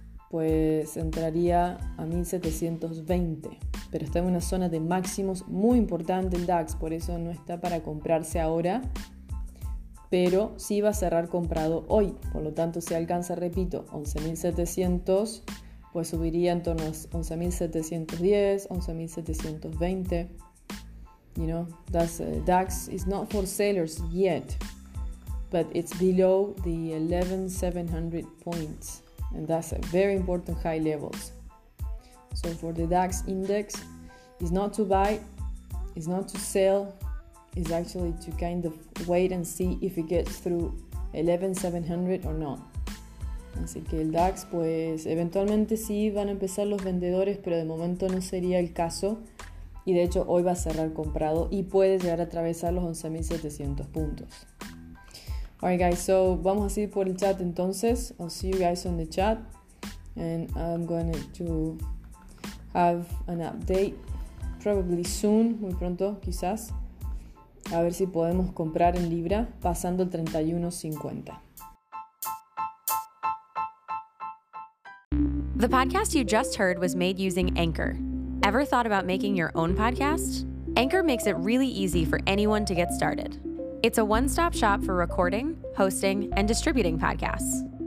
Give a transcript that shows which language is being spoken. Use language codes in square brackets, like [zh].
[es] pues entraría a 1720, pero está en una zona de máximos muy importante el DAX, por eso no está para comprarse ahora, pero sí va a cerrar comprado hoy, por lo tanto si alcanza, repito, 11700, pues subiría en torno a 11710, 11720. [en] You know, that's, DAX is not for sellers yet, but it's below the 11,700 points, and that's a very important high levels. So for the DAX index, it's not to buy, it's not to sell, it's actually to kind of wait and see if it gets through 11,700 or not. [es] Así que el DAX, pues, eventualmente sí van a empezar los vendedores, pero de momento no sería el caso. Y de hecho hoy va a cerrar comprado y puede llegar a atravesar los 11,700 puntos. [en] Alright guys, so [es] vamos a seguir por el chat entonces. [en] I'll see you guys on the chat. And I'm going to have an update probably soon, [es] muy pronto quizás. A ver si podemos comprar en Libra pasando el 31,50. [en] The podcast you just heard was made using Anchor. Ever thought about making your own podcast? Anchor makes it really easy for anyone to get started. It's a one-stop shop for recording, hosting, and distributing podcasts.